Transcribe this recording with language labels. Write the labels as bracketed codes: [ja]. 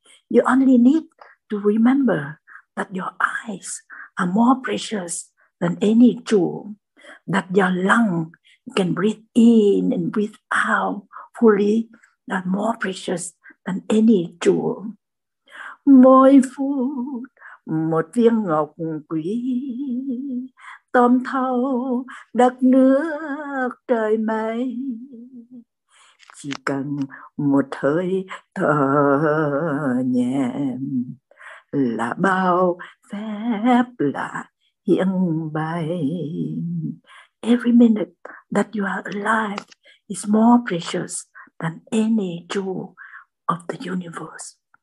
[en] You only need to remember that your eyes are more precious than any jewel. that your lung can breathe in and breathe out fully, that more precious than any jewel. [vi] Mỗi phút một viên ngọc quý, tôm thâu đất nước trời mây. Chỉ cần một hơi thở nhẹ là bao phép lạ hiện bày. [en] Every minute that you are alive is more precious than any jewel of the universe.